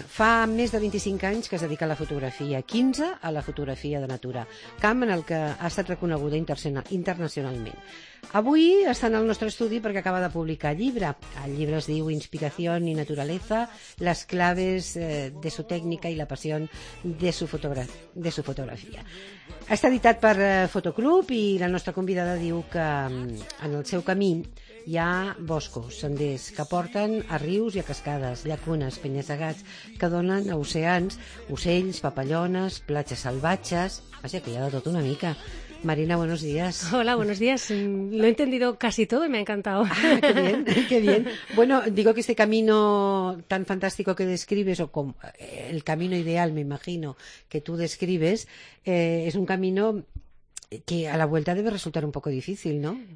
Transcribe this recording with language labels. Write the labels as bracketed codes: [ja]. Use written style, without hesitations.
[ca] Fa més de 25 anys que es dedica a la fotografia, 15 a la fotografia de natura, camp en el que ha estat reconeguda internacionalment. Avui està en el nostre estudi perquè acaba de publicar llibre. El llibre es diu Inspiración y Naturaleza, las claves de su técnica y la pasión de su fotografía. Està editat per Fotoclub i la nostra convidada diu que en el seu camí hi ha boscos, senders que porten a rius i a cascades, llacunes, penya-segats que donen a oceans, ocells, papallones, platges salvatges... Vaja, que hi ha de tot una mica. Marina, [es] buenos días. Hola, buenos días. Lo he entendido casi todo y me ha encantado. Ah, qué bien, qué bien. Bueno, digo que este camino tan fantástico que describes, o como el camino ideal, me imagino, que tú describes, es un camino que a la vuelta debe resultar un poco difícil, ¿no?